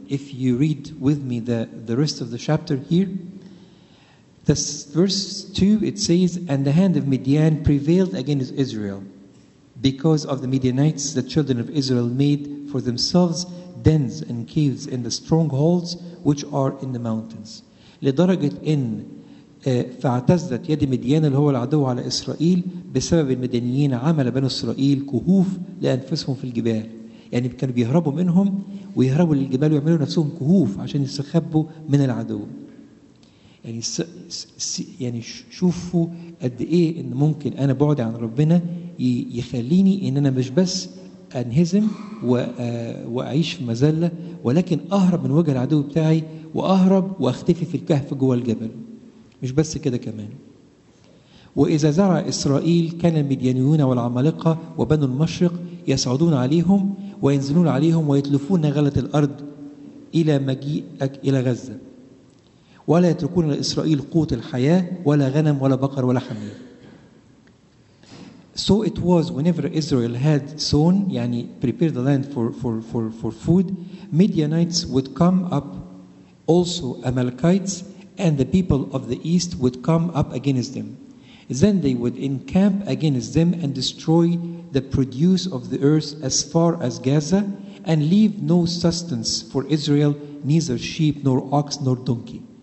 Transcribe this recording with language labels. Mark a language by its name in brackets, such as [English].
[English] If you read with me the rest of the chapter here, this verse 2, it says, "And the hand of Midian prevailed against Israel because of the Midianites, the children of Israel made for themselves dens and caves in the strongholds which are in the mountains." [Arabic] لدرجة إن فاعتزت يد مديان اللي هو العدو على إسرائيل بسبب المدنيين عمل بني إسرائيل كهوف لأنفسهم في الجبال. يعني كانوا بيهربوا منهم ويهربوا للجبال ويعملوا نفسهم كهوف عشان يستخبوا من العدو. يعني يعني شوفوا قد إيه إن ممكن أنا بعدي عن ربنا يخليني إن أنا مش بس أنهزم وأعيش في مزلة ولكن أهرب من وجه العدو بتاعي وأهرب وأختفي في الكهف جوه الجبل. مش بس كده كمان، وإذا زرع إسرائيل كان المديانيون والعمالقة وبنو المشرق يصعدون عليهم وينزلون عليهم ويتلفون نغلة الأرض إلى مجيئك إلى غزة، ولا يتركون لإسرائيل قوت الحياة ولا غنم ولا بقر ولا حمير. [English] So it was whenever Israel had sown, يعني prepared the land for food, Midianites would come up, also Amalekites, and the people of the east would come up against them. Then they would encamp against them and destroy the produce of the earth as far as Gaza and leave no sustenance for Israel, neither sheep nor ox nor donkey.